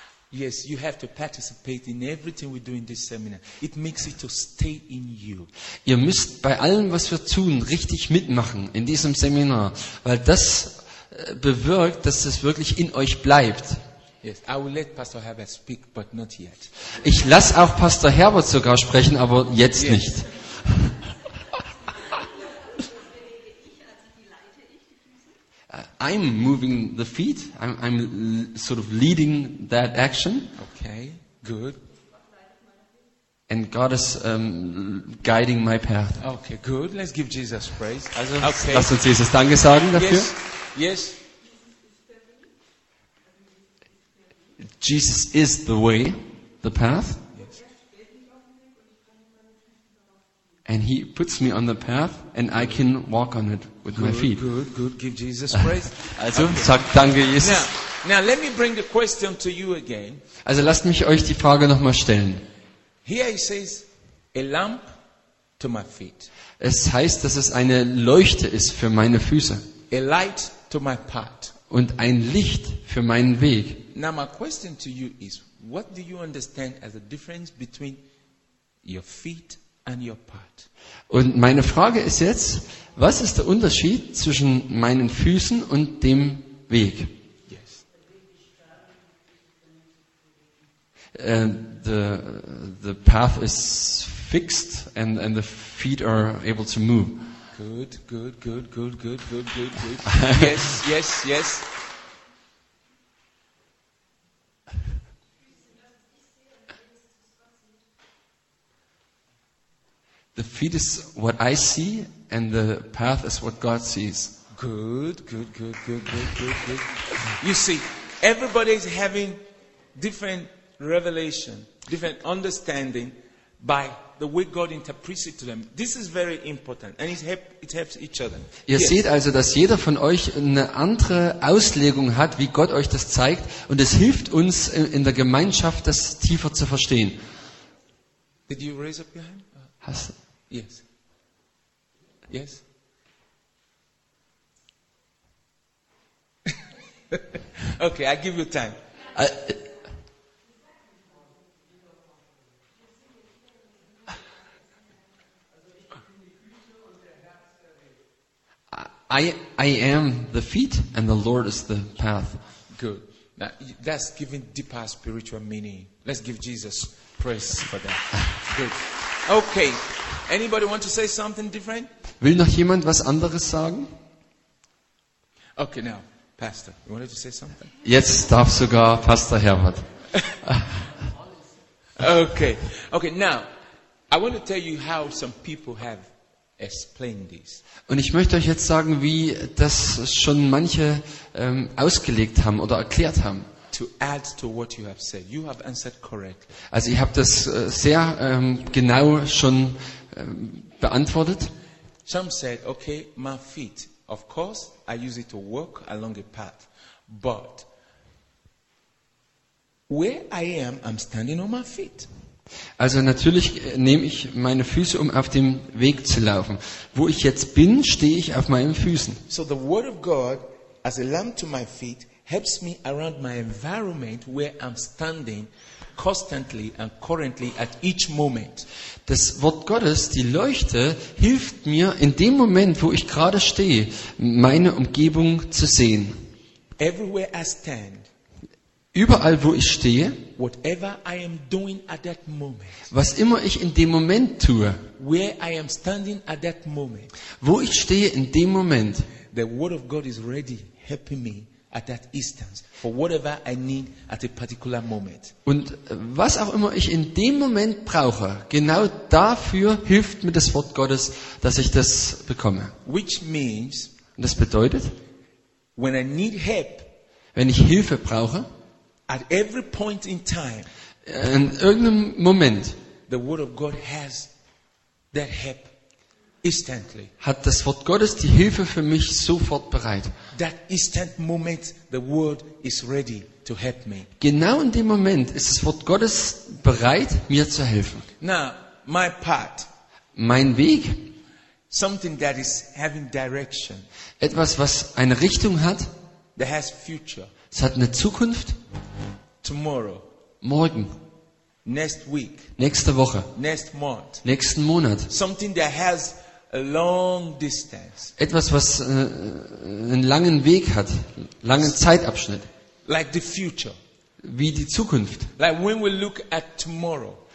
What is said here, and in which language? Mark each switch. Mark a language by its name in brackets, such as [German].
[English] Yes, you have to participate in everything we do in this seminar. It makes it to stay in you. [German] Ihr müsst bei allem, was wir tun, richtig mitmachen in diesem Seminar, weil das bewirkt, dass es wirklich in euch bleibt. [English] Yes, I will let Pastor Herbert speak, but not yet. [German] Ich lasse auch Pastor Herbert sogar sprechen, aber jetzt nicht. [English] I'm moving the feet. I'm sort of leading that action. Okay, good. And God is guiding my path. Okay, good. Let's give Jesus praise. [German] Also, okay. Lass uns Jesus Danke sagen dafür. [English] Yes. Jesus is the way, the path. Yes. And he puts me on the path and I can walk on it with good, my feet. Good, good. Give Jesus praise. [German] Also, okay. Sagt Danke, Jesus. [English] Now, let me bring the question to you again. [German] Also, lasst mich euch die Frage nochmal stellen. [English] Here he says, a lamp to my feet. [German] Es heißt, dass es eine Leuchte ist für meine Füße. [English] A light to my path. [German] Und ein Licht für meinen Weg. [English] Now my question to you is, what do you understand as the difference between your feet and your path? [German] Und meine Frage ist jetzt, was ist der Unterschied zwischen meinen Füßen und dem Weg? [English] Yes. The path is fixed and the feet are able to move. Good, good, good, good, good, good, good, good. Yes, yes, yes. The feet is what I see, and the path is what God sees. Good, good, good, good, good, good, good. You see, everybody is having different revelation, different understanding by the way God interprets it to them. This is very important, and it helps each other. [German] Ihr seht also, dass jeder von euch eine andere Auslegung hat, wie Gott euch das zeigt, und es hilft uns in der Gemeinschaft, das tiefer zu verstehen. [English] Did you raise up your hand? Yes. Yes. Okay, I give you time. I am the feet, and the Lord is the path. Good. Now, that's giving deeper spiritual meaning. Let's give Jesus praise for that. Good. Okay. Anybody want to say something different? [German] Will noch jemand was anderes sagen? [English] Okay, now, Pastor, you wanted to say something? [German] Jetzt darf sogar Pastor Herbert. [English] Okay, now, I want to tell you how some people have explained this. [German] Und ich möchte euch jetzt sagen, wie das schon manche ausgelegt haben oder erklärt haben. [English] To add to what you have said. You have answered correctly. [German] Also ich habe das sehr genau schon beantwortet. [English] Some said, okay, my feet. Of course, I use it to walk along a path. But where I am standing on my feet. [German] Also natürlich nehme ich meine Füße, um auf dem Weg zu laufen. Wo ich jetzt bin, stehe ich auf meinen Füßen. [English] So the word of God as a lamp to my feet helps me around my environment where I'm standing constantly and currently at each moment. [German] Das Wort Gottes, die Leuchte, hilft mir in dem Moment, wo ich gerade stehe, meine Umgebung zu sehen. [English] Everywhere I stand, [German] überall, wo ich stehe, [English] whatever I am doing at that moment, [German] was immer ich in dem Moment tue, [English] where I am standing at that moment, [German] wo ich stehe in dem Moment, [English] the word of God is ready helping me at that instance for whatever I need at a particular moment. [German] Und was auch immer ich in dem Moment brauche, genau dafür hilft mir das Wort Gottes, dass ich das bekomme. [English] Which means, [German] das bedeutet, [English] when I need help, [German] wenn ich Hilfe brauche, [English] at every point in time, [German] in irgendeinem Moment, [English] the word of God has that help instantly. [German] Hat das Wort Gottes die Hilfe für mich sofort bereit. [English] That instant moment, the word is ready to help me. [German] Genau in dem Moment ist das Wort Gottes bereit, mir zu helfen. [English] Now, my path. [German] Mein Weg. [English] Something that is having direction. [German] Etwas, was eine Richtung hat. [English] That has future. [German] Es hat eine Zukunft. [English] Tomorrow. [German] Morgen. [English] Next week. [German] Nächste Woche. [English] Next month. [German] Nächsten Monat. [English] Something that has a long distance. [German] Etwas, was einen langen Weg hat, langen Zeitabschnitt. [English] Like the future. [German] Wie die Zukunft. [English] Like when we look at tomorrow.